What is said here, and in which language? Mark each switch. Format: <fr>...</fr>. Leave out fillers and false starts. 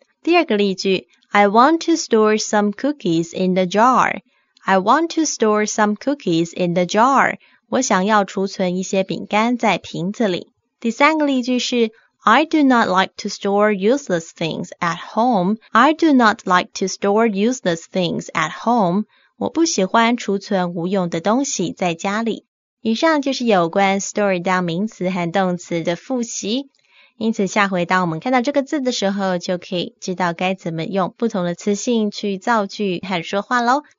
<zh>第二个例句</zh> <en>I want to store some cookies in the jar. I want to store some cookies in the jar.</en> <zh>我想要储存一些饼干在瓶子里。第三个例句是</zh> <en>I do not like to store useless things at home. I do not like to store useless things at home.</en> <zh>我不喜欢储存无用的东西在家里。以上就是有关 store 当名词和动词的复习。因此下回当我们看到这个字的时候就可以知道该怎么用不同的词性去造句和说话咯。</zh>